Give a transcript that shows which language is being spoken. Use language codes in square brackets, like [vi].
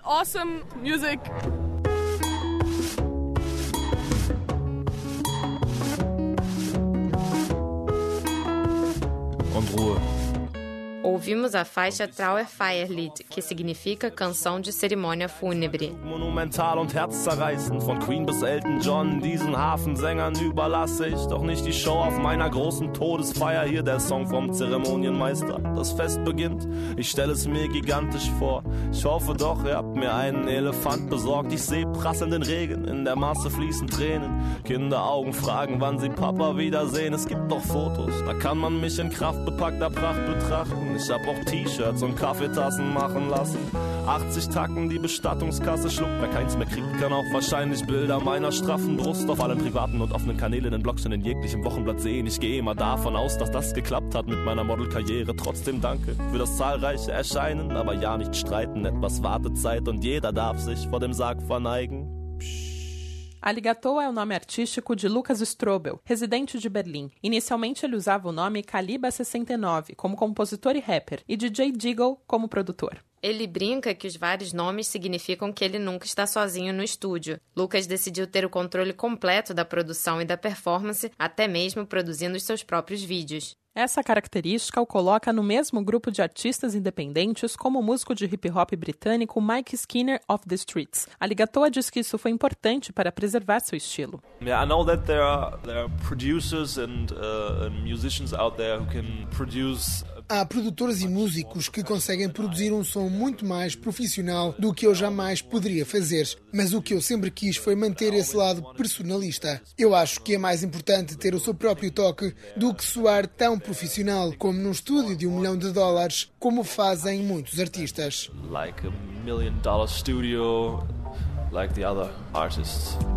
[en] Awesome music. On rua. [pt] Ouvimos a faixa Trauerfeierlied, que significa canção de cerimônia fúnebre. [de] Monumental und herzzerreißend, von Queen bis Elton John, diesen Hafensängern überlasse ich doch nicht die Show auf meiner großen Todesfeier. Hier der Song vom Zeremonienmeister. Das Fest beginnt, ich stelle es mir gigantisch vor. Ich hoffe doch, ihr habt mir einen Elefant besorgt. Ich sehe prasselnden Regen, in der Masse fließen Tränen. Kinderaugen fragen, wann sie Papa wiedersehen. Es gibt doch Fotos, da kann man mich in kraftbepackter Pracht betrachten. Ich hab auch T-Shirts und Kaffeetassen machen lassen. 80 Tacken, die Bestattungskasse schluckt. Wer keins mehr kriegt, kann auch wahrscheinlich Bilder meiner straffen Brust auf allen privaten und offenen Kanälen, in Blogs und in jeglichem Wochenblatt sehen. Ich gehe immer davon aus, dass das geklappt hat mit meiner Modelkarriere. Trotzdem danke für das zahlreiche Erscheinen. Aber ja, nicht streiten, etwas Wartezeit und jeder darf sich vor dem Sarg verneigen. [pt] Aligatoa é o nome artístico de Lucas Strobel, residente de Berlim. Inicialmente, ele usava o nome Kaliba 69 como compositor e rapper, e DJ Deagle como produtor. Ele brinca que os vários nomes significam que ele nunca está sozinho no estúdio. Lucas decidiu ter o controle completo da produção e da performance, até mesmo produzindo os seus próprios vídeos. Essa característica o coloca no mesmo grupo de artistas independentes como o músico de hip-hop britânico Mike Skinner of the Streets. Aligatoa diz que isso foi importante para preservar seu estilo. [en] Yeah, I know that there are producers and musicians out there who can produce. [pt] Há produtores e músicos que conseguem produzir um som muito mais profissional do que eu jamais poderia fazer. Mas o que eu sempre quis foi manter esse lado personalista. Eu acho que é mais importante ter o seu próprio toque do que soar tão profissional como num estúdio de $1 milhão, como fazem muitos artistas. [en] Like a $1 million studio, like the other artists.